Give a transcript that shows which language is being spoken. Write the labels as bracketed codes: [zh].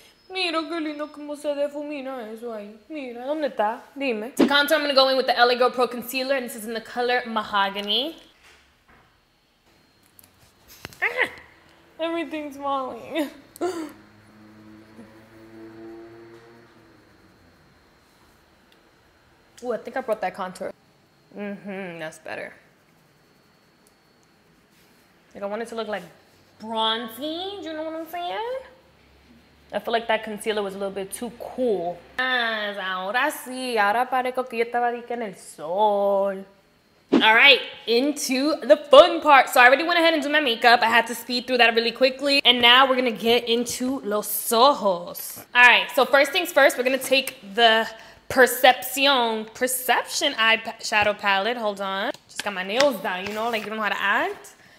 [es] Mira que lindo como se defumina eso ahí. Mira, ¿dónde está? Dime. [en] To contour, I'm gonna go in with the LA Girl Pro Concealer, and this is in the color Mahogany. Everything's falling. Ooh, I think I brought that contour. Mm-hmm, that's better. Like, I want it to look like bronzy, do you know what I'm saying? I feel like that concealer was a little bit too cool. Yes, [es] ahora sí, ahora parezco que yo estaba aquí en el sol. [en] All right, into the fun part. So I already went ahead and did my makeup. I had to speed through that really quickly. And now we're gonna get into [es] los ojos. [en] All right, so first things first, we're gonna take the Perception eyeshadow palette. Hold on. Just got my nails done, you know, like you don't know how to act.